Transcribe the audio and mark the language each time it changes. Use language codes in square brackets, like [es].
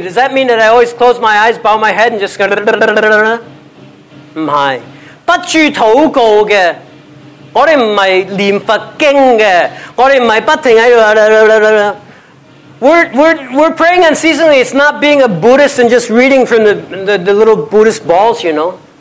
[en] Does that mean that I always close my eyes, bow my head and just go... [zh] 不是。不住祷告的, 我们不是念佛经的，我们不停在那里。 [en] We're praying unceasingly. It's not being a Buddhist and just reading from the little Buddhist balls, you know.